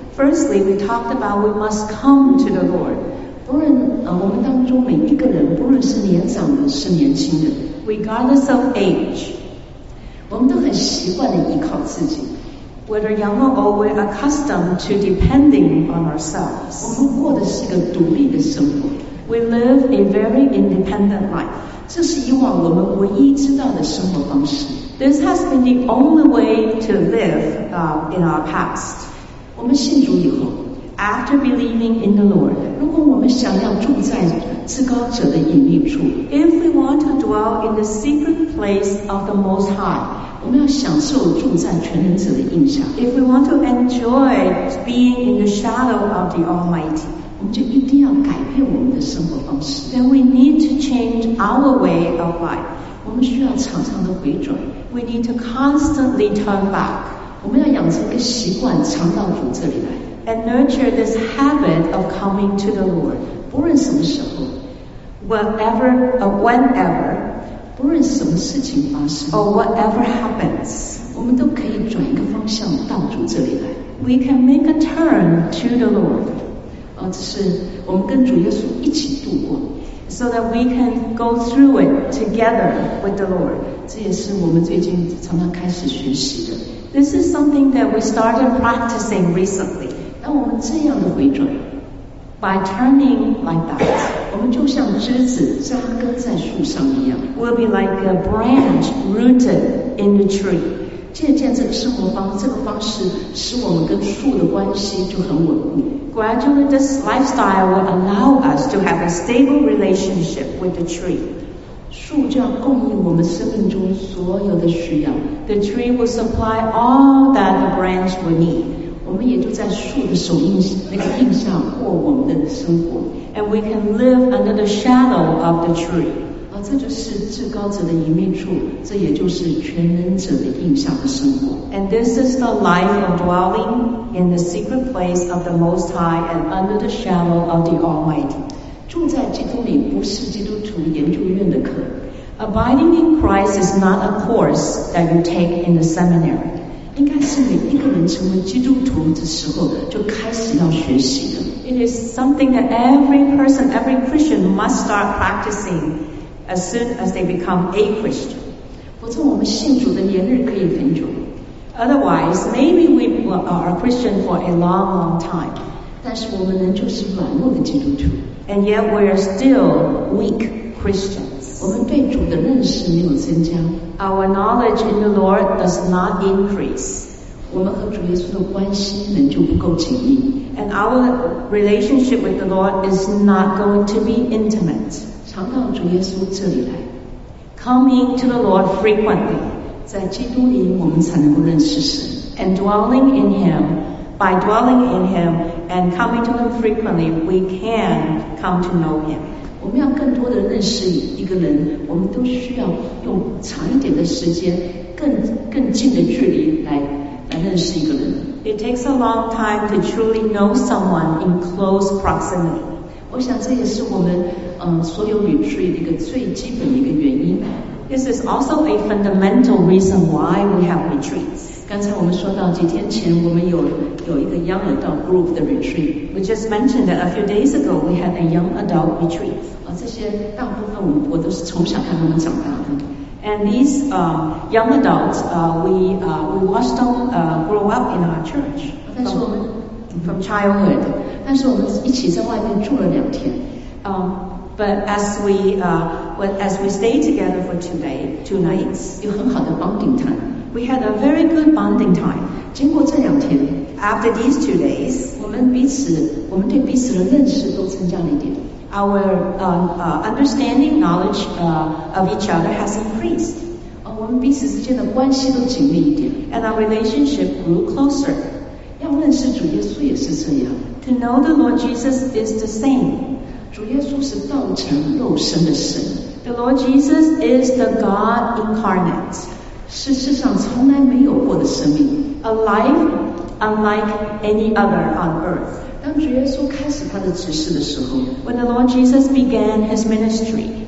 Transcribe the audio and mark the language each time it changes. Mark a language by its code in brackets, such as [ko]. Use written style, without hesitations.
[en] Firstly, we talked about we must come to the Lord. [zh] 不论我们当中每一个人，不论是年长的，是年轻的 [en] ，regardless of age. [zh] 我们都很习惯地依靠自己。 [en] Whether young or old, we're accustomed to depending on ourselves. [zh] 我们过的是一个独立的生活。 [en] We live a very independent life. [zh] 这是以往我们唯一知道的生活方式。 [en] This has been the only way to live, in our past. [zh] 我们信主以后 [en] After believing in the Lord, [zh] 如果我们想要住在至高者的隐秘处 [en] If we want to dwell in the secret place of the Most High, [zh] 我们要享受住在全能者的印象 [en] If we want to enjoy being in the shadow of the Almighty, [zh] 我们就一定要改变我们的生活方式 [en] Then we need to change our way of life. [zh] 我们需要常常的回转 [en] We need to constantly turn back. [zh] 我们要养成一个习惯常到主这里来 [en] And nurture this habit of coming to the Lord. [zh] 不论什么时候 [en] whatever or whenever, [zh] 不论什么事情发生 [en] or whatever happens, [zh] 我们都可以转一个方向到主这里来。 [en] We can make a turn to the Lord. [zh] 只是我们跟主耶稣一起度过 [en] so that we can go through it together with the Lord. [zh] 这也是我们最近常常开始学习的。 [en] This is something that we started practicing recently. [zh] 当我们这样的回转。 [en] By turning like that, [zh] 我们就像枝子扎根在树上一样 [en] We'll be like a branch rooted in the tree. [zh] 渐渐这个生活方式，这个方式使我们跟树的关系就很稳固 [en] Gradually, this lifestyle will allow us to have a stable relationship with the tree. [zh] 树就要供应我们生命中所有的需要 [en] The tree will supply all that the branch will need. [zh] 我们也就在树的手印那个印下过我们的生活 [en] ，and we can live under the shadow of the tree。 [zh] 这就是至高者的隐秘处，这也就是全能者的印下的生活。 [en] And this is the life of dwelling in the secret place of the Most High and under the shadow of the Almighty。 [zh] 住在基督里不是基督徒研究院的课。 [en] Abiding in Christ is not a course that you take in the seminary。 [zh] 应该是每一个人成为基督徒的时候就开始要学习的。 [en] It is something that every person, every Christian must start practicing as soon as they become a Christian. [zh] 否则我们信主的年日可以很久。 [en] Otherwise, maybe we are a Christian for a long, long time. [zh] 但是我们仍旧是软弱的基督徒。 [en] And yet we are still weak Christians. [zh] 我们对主的认识没有增加。 [en] Our knowledge in the Lord does not increase. [zh] 我们和主耶稣的关系仍旧不够紧密。 [en] And our relationship with the Lord is not going to be intimate. [zh] 常到主耶稣这里来。 [en] Coming to the Lord frequently. [zh] 在基督里我们才能够认识神。 [en] And dwelling in Him, by dwelling in Him and coming to Him frequently, we can come to know Him. [zh] 我们要更多的认识一个人，我们都需要用长一点的时间，更近的距离来认识一个人。 [en] It takes a long time to truly know someone in close proximity. [zh] 我想这也是我们所有旅居的一个最基本的一个原因。 [en] This is also a fundamental reason why we have retreats. [zh] 刚才我们说到几天前我们有一个 [en] young adult group [zh] 的 retreat. [en] We just mentioned that a few days ago we had a young adult retreat. [zh] 这些大部分我都是从小看他们长大的。 [en] And these young adults, we watched them grow up in our church. From childhood. [zh] 但是我们一起在外面住了两天。 [en] But as we stayed together for two nights, [zh] 有很好的 [en] bonding time. We had a very good bonding time. [zh] 经过这两天， [en] after these 2 days, [zh] 我们对彼此的认识都增加了一点。 [en] Our understanding, knowledge of each other has increased. [zh] 我们彼此之间的关系都紧密一点。 [en] And our relationship grew closer. [zh] 要认识主耶稣也是这样。 [en] To know the Lord Jesus is the same. [zh] 主耶稣是道成肉身的神。 [en] The Lord Jesus is the God incarnate. [zh] 是世上从来没有过的生命。 [en] A life unlike any other on earth. [zh] 当主耶稣开始他的执事的时候， [en] When the Lord Jesus began his ministry,